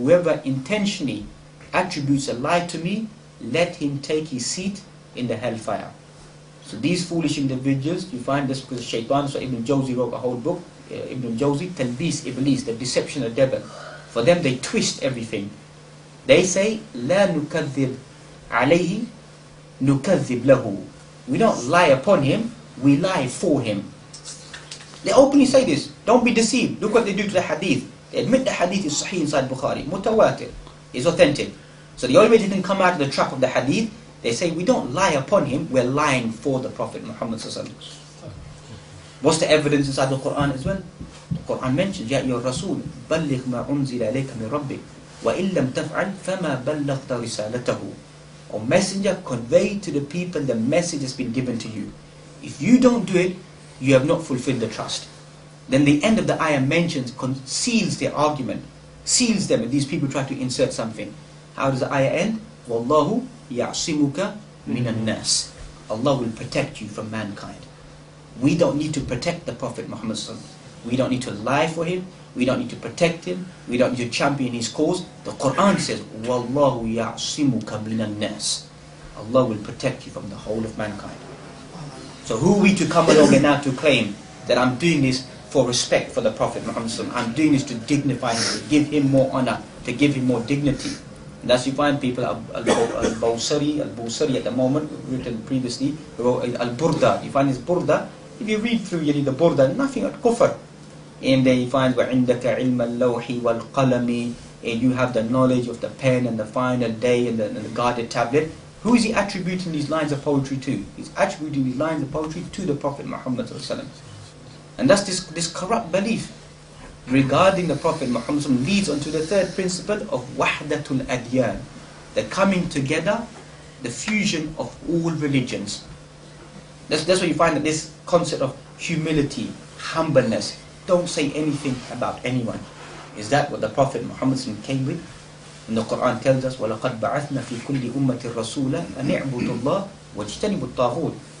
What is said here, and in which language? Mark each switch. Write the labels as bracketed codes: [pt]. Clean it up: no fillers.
[en] Whoever intentionally attributes a lie to me, let him take his seat in the hellfire. So these foolish individuals, you find this because of Shaytan, so Ibn Jawzi wrote a whole book, Ibn Jawzi, Talbis Iblis, the deception of the devil. For them, they twist everything. They say, [ar] لَا نُكَذِّبْ عَلَيْهِ نُكَذِّبْ لَهُ. [en] We don't lie upon him, we lie for him. They openly say this, don't be deceived. Look what they do to the hadith. They admit the hadith is sahih inside Bukhari, mutawatir, is authentic. So the only way they can come out of the trap of the hadith, they say, we don't lie upon him, we're lying for the Prophet Muhammad sallallahu alaihi wasallam. What's the evidence inside the Qur'an as well? The Qur'an mentions, [ar] يَا أَيُّهَا الرَّسُولُ بَلِّغْ مَا أُنزِلَ عَلَيْكَ مِنْ رَبِّكَ وَإِنْ لَمْ تَفْعَلْ فَمَا بَلَّغْتَ رِسَالَتَهُ. [en] O Messenger, convey to the people the message has been given to you. If you don't do it, you have not fulfilled the trust. Then the end of the ayah mentions, seals their argument, seals them if these people try to insert something. How does the ayah end? [ar] وَاللَّهُ يَعْصِمُكَ مِنَ النَّاسِ. [en] Allah will protect you from mankind. We don't need to protect the Prophet Muhammad sallallahu alaihi wasallam. We don't need to lie for him. We don't need to protect him. We don't need to champion his cause. The Quran says, [ar] وَاللَّهُ يَعْصِمُكَ مِنَ النَّاسِ. [en] Allah will protect you from the whole of mankind. So who are we to come along and now to claim that I'm doing this for respect for the Prophet Muhammad sallallahu alaihi wasallam? I'm doing this to dignify him, to give him more honor, to give him more dignity. That's you find people al-Bawsari at the moment, written previously, al-Burda. You find his Burda. If you read through the Burda, nothing at kufr. And then you find [ar] وَعِنْدَكَ عِلْمَ اللَّوْحِ وَالْقَلَمِ, [en] and you have the knowledge of the pen and the final day and the guarded tablet. Who is he attributing these lines of poetry to? He's attributing these lines of poetry to the Prophet Muhammad. And that's this corrupt belief regarding the Prophet Muhammad leads onto the third principle of Wahdatul Adyan, the coming together, the fusion of all religions. That's where you find that this concept of humility, humbleness, don't say anything about anyone. Is that what the Prophet Muhammad came with? And the Quran tells us, [ar] وَلَقَدْ بَعَثْنَا فِي كُلِّ أُمَّةِ الرَّسُولَ أَنِعْبُدُ اللَّهِ وَاجْتَنِبُ الطَّاغُوتِ.